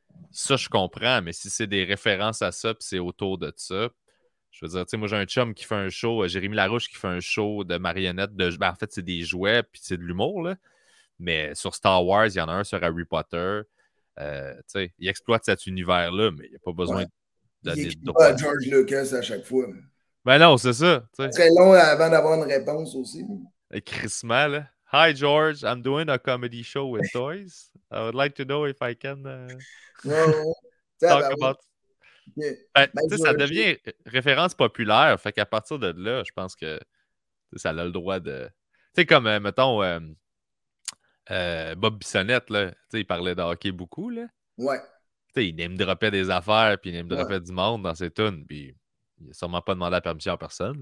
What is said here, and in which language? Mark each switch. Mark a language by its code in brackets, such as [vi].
[fr] Ça, je comprends, mais si c'est des références à ça, puis c'est autour de ça, je veux dire, tu sais, moi, j'ai un chum qui fait un show, Jérémy Larouche qui fait un show de marionnettes, de, ben, en fait, c'est des jouets, puis c'est de l'humour, là. Mais sur Star Wars, il y en a un sur Harry Potter. Tu sais, il exploite cet univers-là, mais il n'y a pas besoin de donner de droit. Il écrit pas à George Lucas à chaque fois. Ben non, c'est ça. C'est très long avant d'avoir une réponse aussi. Crissement, là. [en] Hi George, I'm doing a comedy show with toys. I would like to know if I can talk about. [fr] Ben, ben, ça devient référence populaire. Fait qu'à partir de là, je pense que ça a le droit de. Tu sais, comme mettons Bob Bissonnette, là, il parlait de hockey beaucoup. Là. Ouais. T'sais, il name dropait des affaires, puis il name dropait du monde dans ses tunes. Puis il n'a sûrement pas demandé la permission à personne.